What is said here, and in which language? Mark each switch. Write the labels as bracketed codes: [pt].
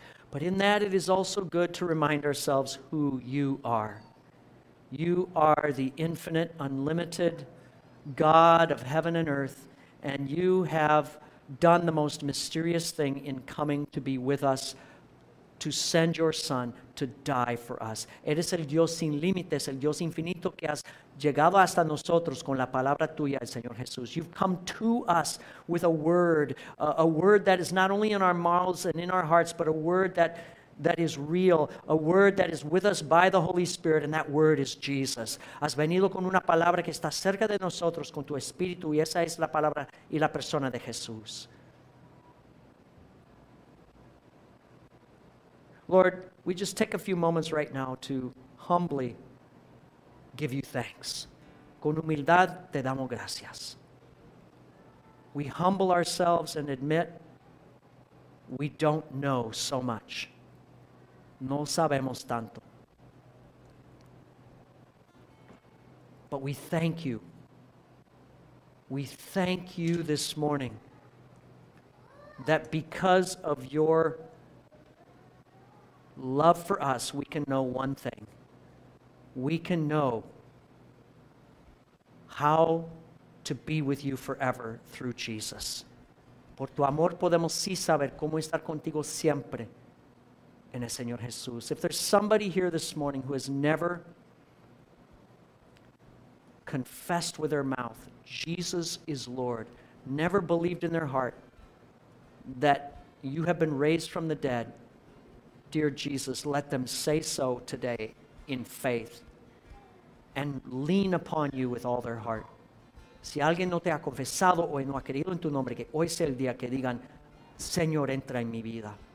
[en] But in that, it is also good to remind ourselves who you are. You are the infinite, unlimited God of heaven and earth, and you have done the most mysterious thing in coming to be with us, to send your Son to die for us. [es] Eres el Dios sin límites, el Dios infinito que has llegado hasta nosotros con la palabra tuya, el Señor Jesús. [en] You've come to us with a word that is not only in our mouths and in our hearts, but a word that is real, a word that is with us by the Holy Spirit, and that word is Jesus. [es] Has venido con una palabra que está cerca de nosotros con tu espíritu, y esa es la palabra y la persona de Jesús. [en] Lord, we just take a few moments right now to humbly give you thanks. [es] Con humildad te damos gracias. [en] We humble ourselves and admit we don't know so much. [es] No sabemos tanto. [en] But we thank you. We thank you this morning that because of your love for us, we can know one thing. We can know how to be with you forever through Jesus. [es] Por tu amor podemos sí saber cómo estar contigo siempre en el Señor Jesús. [en] If there's somebody here this morning who has never confessed with their mouth Jesus is Lord, never believed in their heart that you have been raised from the dead, dear Jesus, let them say so today in faith and lean upon you with all their heart. [es] Si alguien no te ha confesado o no ha creído en tu nombre, que hoy sea el día que digan, Señor, entra en mi vida.